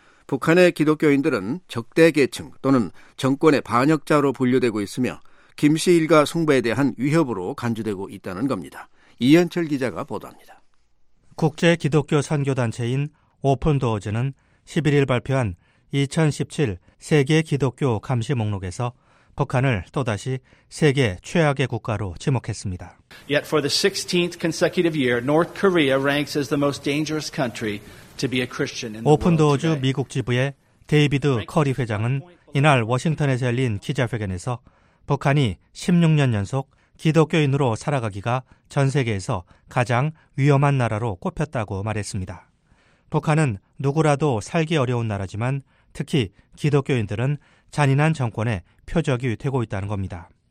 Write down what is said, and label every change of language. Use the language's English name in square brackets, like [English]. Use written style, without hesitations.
[Korean] 북한의 기독교인들은 적대계층 또는 정권의 반역자로 분류되고 있으며 김 씨 일가 숭배에 대한 위협으로 간주되고 있다는 겁니다. 이현철 기자가 보도합니다. 국제 기독교 선교단체인 오픈도어즈는 11일 발표한 2017 세계 기독교 감시 목록에서 북한을 또다시 세계 최악의 국가로 지목했습니다. [English] Yet for the 16th consecutive year, North Korea ranks as the most dangerous country to be a Christian in the world. [Korean] 오픈도어즈 미국 지부의 데이비드 커리 회장은 이날 워싱턴에서 열린 기자회견에서 북한이 16년 연속 기독교인으로 살아가기가 전 세계에서 가장 위험한 나라로 꼽혔다고 말했습니다. 북한은 누구라도 살기 어려운 나라지만 특히 기독교인들은 잔인한 정권의 표적이 되고 있다는 겁니다.